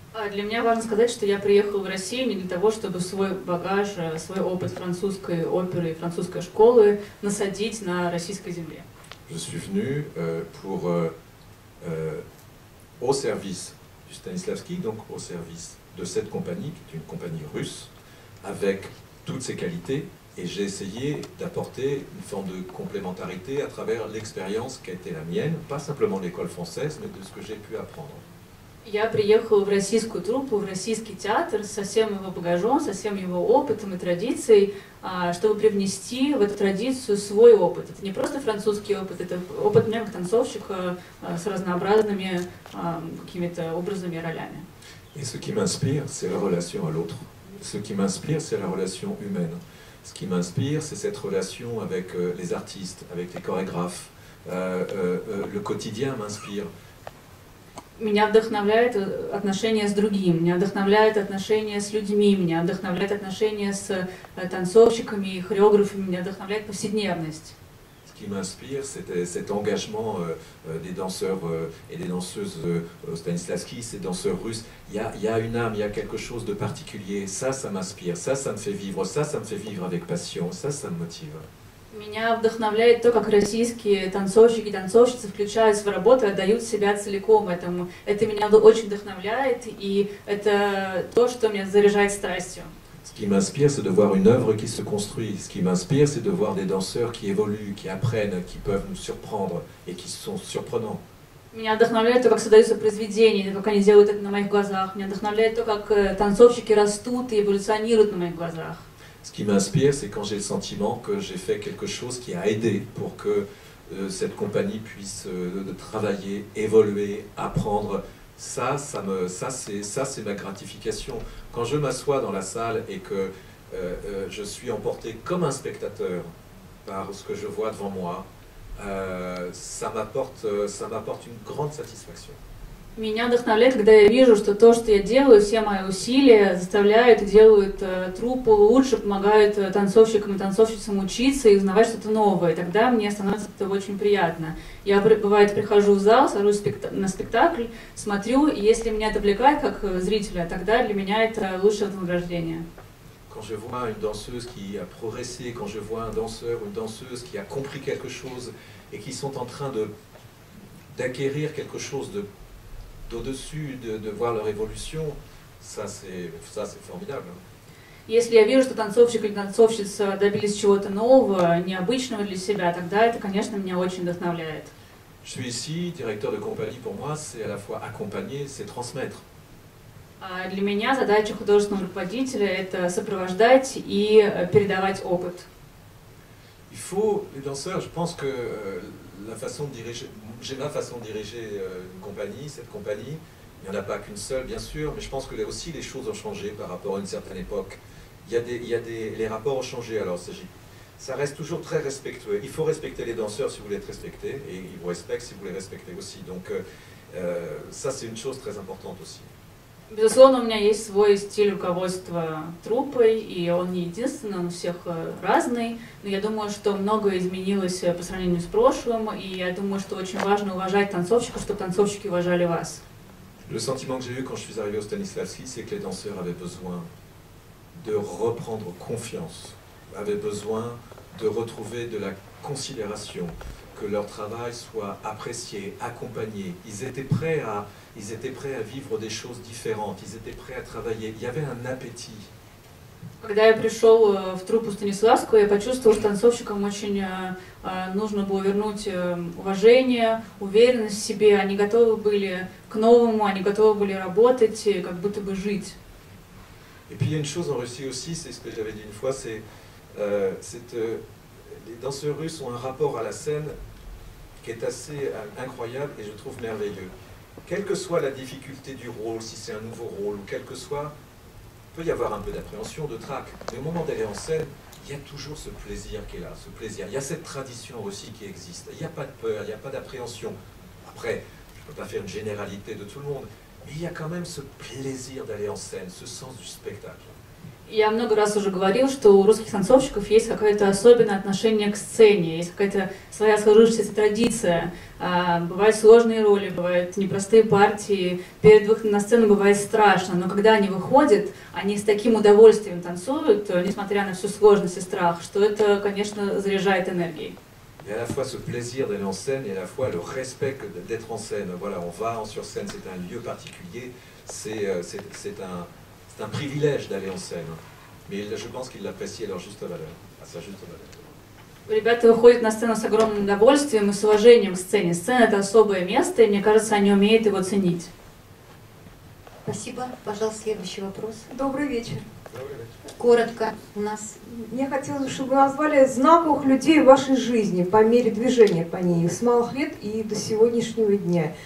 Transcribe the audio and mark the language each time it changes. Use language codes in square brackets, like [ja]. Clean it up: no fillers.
[ru] Для меня важно сказать, что я приехал в Россию не для того, чтобы свой багаж, свой опыт французской оперы и французской школы насадить на российской земле. [fr] Je suis venu pour au service Stanislavski, donc au service de cette compagnie, qui est une compagnie russe, avec toutes ses qualités, et j'ai essayé d'apporter une forme de complémentarité à travers l'expérience qui a été la mienne, pas simplement de l'école française, mais de ce que j'ai pu apprendre. [ru] Я приехал в российскую труппу, в российский театр со всем его багажом, со всем его опытом и традицией, чтобы привнести в эту традицию свой опыт. Это не просто французский опыт, это опыт многих танцовщиков с разнообразными какими-то образами и ролями. [fr] Et ce qui m'inspire, c'est la relation à l'autre. Ce qui m'inspire, c'est la relation humaine. Ce qui m'inspire, c'est cette relation avec les artistes, avec les chorégraphes. Le quotidien m'inspire. [ru] Меня вдохновляет отношение с другим, меня вдохновляет отношение с людьми, меня вдохновляет отношение с танцовщиками и хореографами, меня вдохновляет повседневность. [fr] Ce qui m'inspire, c'est cet engagement des danseurs et des danseuses Stanislavski, ces danseurs russes. Il y a une âme, il y a quelque chose de particulier. Ça m'inspire, ça me fait vivre, ça me fait vivre avec passion, ça me motive. [ru] Меня вдохновляет то, как российские танцовщики и танцовщицы включаются в работу и отдают себя целиком этому. Это меня очень вдохновляет, и это то, что меня заряжает страстью. [fr] Ce qui m'inspire, c'est de voir une œuvre qui se construit. Ce qui m'inspire, c'est de voir des danseurs qui évoluent, qui apprennent, qui peuvent nous surprendre et qui sont surprenants. [ru] Меня вдохновляет то, как создаются произведения, как они делают это на моих глазах. Меня вдохновляет то, как танцовщики растут и эволюционируют на моих глазах. [fr] Ce qui m'inspire, c'est quand j'ai le sentiment que j'ai fait quelque chose qui a aidé pour que cette compagnie puisse travailler, évoluer, apprendre. Ça c'est ma gratification. Quand je m'assois dans la salle et que je suis emporté comme un spectateur par ce que je vois devant moi, ça m'apporte une grande satisfaction. [ru] Меня вдохновляет, когда я вижу, что то, что я делаю, все мои усилия заставляют и делают труппу лучше, помогают танцовщикам и танцовщицам учиться и узнавать что-то новое. Тогда мне становится это очень приятно. Я, бывает, прихожу в зал, сажусь на спектакль, смотрю, и если меня это отвлекает как зрителя, тогда для меня это лучшее вознаграждение. [fr] Quand je vois une danseuse qui a progressé, quand je vois un danseur ou une danseuse qui a compris quelque chose et qui sont en train d'acquérir quelque chose de au-dessus de voir leur évolution, ça c'est formidable. [ru] Если я вижу, что танцовщик или танцовщица добились чего-то нового, необычного для себя, тогда это, конечно, меня очень вдохновляет. [fr] Je suis ici, directeur de compagnie, pour moi, c'est à la fois accompagner, c'est transmettre. [ru] Для меня задача художественного руководителя – это сопровождать и передавать опыт. [fr] Il faut, les danseurs, je pense que la façon de diriger... J'ai ma façon de diriger une compagnie, cette compagnie. Il n'y en a pas qu'une seule, bien sûr, mais je pense que là aussi les choses ont changé par rapport à une certaine époque. Les rapports ont changé, alors ça reste toujours très respectueux. Il faut respecter les danseurs si vous voulez être respectés, et ils vous respectent si vous les respectez aussi. Donc Ça, c'est une chose très importante aussi. [ru] Безусловно, у меня есть свой стиль руководства труппой, и он не единственный, он у всех разный. Но я думаю, что многое изменилось по сравнению с прошлым, и я думаю, что очень важно уважать танцовщиков, чтобы танцовщики уважали вас. [fr] Le sentiment que j'ai eu quand je suis arrivé au Станиславский, c'est que les danseurs avaient besoin de reprendre confiance, avaient besoin de retrouver de la considération, que leur travail soit apprécié, accompagné. Ils étaient prêts à vivre des choses différentes, ils étaient prêts à travailler, il y avait un appétit. Когда я пришел в труппу Станиславского, я почувствовал, что танцовщикам очень нужно было вернуть уважение, уверенность в себе, они готовы были к новому, они готовы были работать, как будто бы жить. Et puis il y a une chose en Russie aussi, c'est ce que j'avais dit une fois, c'est les danseurs russes ont un rapport à la scène qui est assez incroyable et je trouve merveilleux. Quelle que soit la difficulté du rôle, si c'est un nouveau rôle, ou quel que soit, il peut y avoir un peu d'appréhension, de trac. Mais au moment d'aller en scène, il y a toujours ce plaisir qui est là, ce plaisir. Il y a cette tradition aussi qui existe. Il n'y a pas de peur, il n'y a pas d'appréhension. Après, je ne peux pas faire une généralité de tout le monde, mais il y a quand même ce plaisir d'aller en scène, ce sens du spectacle. [ru] Я много раз уже говорил, что у русских танцовщиков есть какое-то особенное отношение к сцене, есть какая-то своя сложившаяся традиция. Бывают сложные роли, бывают непростые партии. Перед выходом на сцену бывает страшно, но когда они выходят, они с таким удовольствием танцуют, несмотря на всю сложность и страх, что это, конечно, заряжает энергией. [fr] Et à la fois ce plaisir d'aller en scène et à la fois le respect d'être en scène. Voilà, on va sur scène, c'est un lieu particulier, c'est un privilège d'aller en scène, mais je pense qu'ils l'apprécient à sa juste valeur. [ru] Ребята выходят на сцену с огромным удовольствием и с уважением к сцене. Сцена — это особое место, и мне кажется, они умеют его ценить. Спасибо. Пожалуйста, следующий вопрос. Добрый вечер. Добрый вечер. Коротко у нас. Мне хотелось бы, чтобы вы назвали знаковых людей в вашей жизни по мере движения по ней, с малых лет и до сегодняшнего дня.